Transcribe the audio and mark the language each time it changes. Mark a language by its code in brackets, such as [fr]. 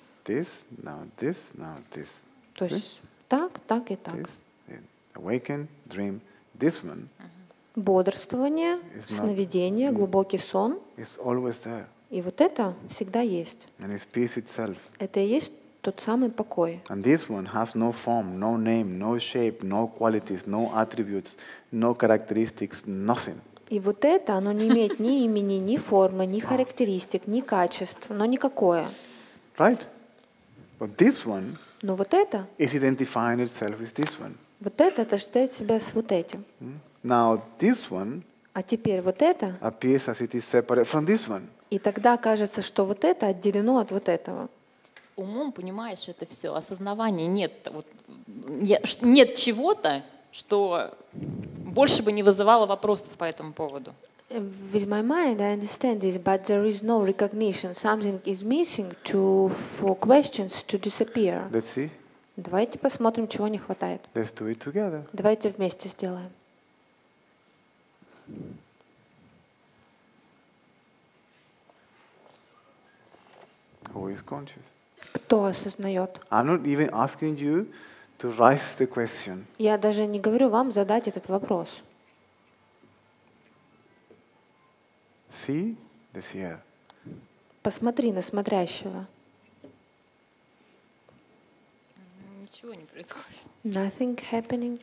[en] This, now this, now this. [ru] То есть так, так и так. [en] Awaken, dream, this one. [ru] Бодрствование, сновидение, глубокий сон. [en] It's always there. [ru] И вот это всегда есть. [en] And it's peace itself. [ru] Это и есть тот самый покой. [en] And this one has no form, no name, no shape, no qualities, no attributes, no characteristics, nothing. [ru] И вот это, оно не имеет ни имени, ни формы, ни характеристик, ни качеств, но никакое. [en] Right? But this one. [ru] Но вот это. [en] Is identifying itself with this one. [ru] Вот это отождествляет себя с вот этим. [en] Now this one. [ru] А теперь вот это. [en] Appears as it is separate from this one. [ru] И тогда кажется, что вот это отделено от вот этого. Умом понимаешь это все, осознавание нет, вот, нет чего-то, что больше бы не вызывало вопросов по этому поводу. [en] With my mind, I understand this, but there is no recognition. Something is missing to, for questions to disappear. Let's see. [ru] Давайте посмотрим, чего не хватает. [en] Let's do it together. [ru] Давайте вместе сделаем. [en] Who is conscious? [ru] Кто осознает? [en] I'm not even asking you to raise the question. [ru] Я даже не говорю вам задать этот вопрос. [en] See the seer. [ru] Посмотри на смотрящего. Ничего не происходит. [en] Nothing happening.